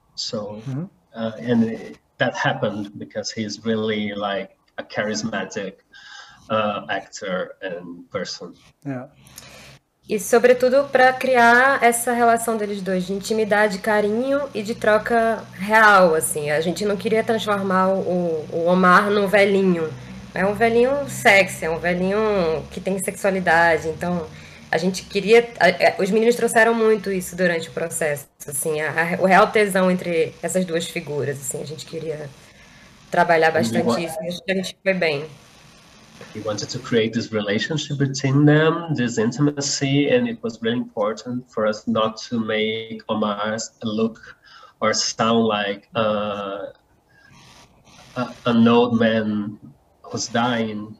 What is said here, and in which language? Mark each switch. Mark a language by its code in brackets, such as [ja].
[en] So and that happened because he's really like a charismatic actor and person. Yeah. [pt] E sobretudo para criar essa relação deles dois, de intimidade, carinho e de troca real, assim. A gente não queria transformar o Omar num velhinho. É um velhinho sexy, é um velhinho que tem sexualidade. Então, a gente queria. Os meninos trouxeram muito isso durante o processo, assim, o real tesão entre essas duas figuras, assim. A gente queria trabalhar bastante isso e a gente foi bem. [en] He wanted to create this relationship between them, this intimacy, and it was really important for us not to make Omar look or sound like an old man who's dying.